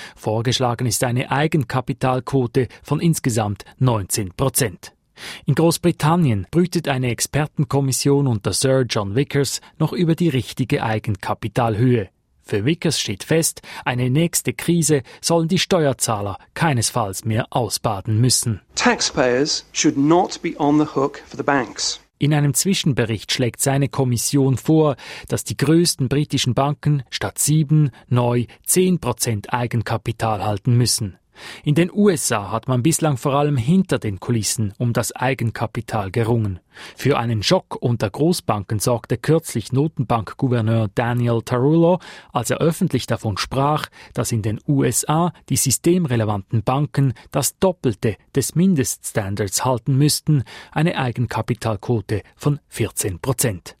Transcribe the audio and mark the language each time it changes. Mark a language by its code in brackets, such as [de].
[de] Vorgeschlagen ist eine Eigenkapitalquote von insgesamt 19%. In Großbritannien brütet eine Expertenkommission unter Sir John Vickers noch über die richtige Eigenkapitalhöhe. Für Vickers steht fest, eine nächste Krise sollen die Steuerzahler keinesfalls mehr ausbaden müssen. [en] Taxpayers should not be on the hook for the banks. [de] In einem Zwischenbericht schlägt seine Kommission vor, dass die größten britischen Banken statt 7 neu 10% Eigenkapital halten müssen. In den USA hat man bislang vor allem hinter den Kulissen um das Eigenkapital gerungen. Für einen Schock unter Großbanken sorgte kürzlich Notenbankgouverneur Daniel Tarullo, als er öffentlich davon sprach, dass in den USA die systemrelevanten Banken das Doppelte des Mindeststandards halten müssten, eine Eigenkapitalquote von 14%.